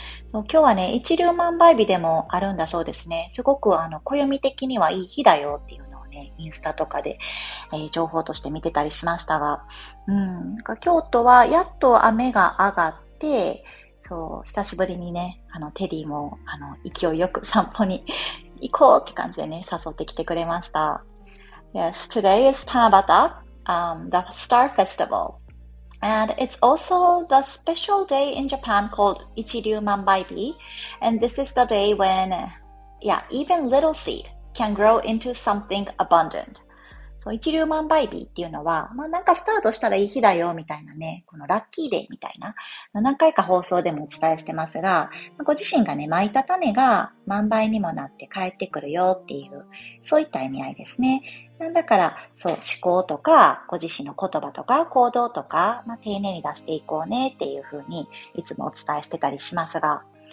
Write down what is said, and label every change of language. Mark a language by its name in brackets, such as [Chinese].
[Japanese] 今日はね、一粒万倍日でもあるんだそうですね。すごく暦的にはいい日だよっていうのをね、インスタとかで、情報として見てたりしましたが、京都はやっと雨が上がって、そう、久しぶりにね、テディも勢いよく散歩に行こうって感じでね、誘ってきてくれました。 [English] Yes, today is Tanabata, the Star Festival. And it's also the special day in Japan called 一粒万倍日. And this is the day when, yeah, even little seed can grow into something abundant. [Japanese] So 一粒万倍日っていうのは、まあなんかスタートしたらいい日だよみたいなね、このラッキーデーみたいな、何回か放送でもお伝えしてますが、ご自身がね、巻いた種が万倍にもなって帰ってくるよっていう、そういった意味合いですね。なんだから、そう、思考とか、ご自身の言葉とか、行動とか、まあ、丁寧に出していこうねっていうふうに、いつもお伝えしてたりしますが。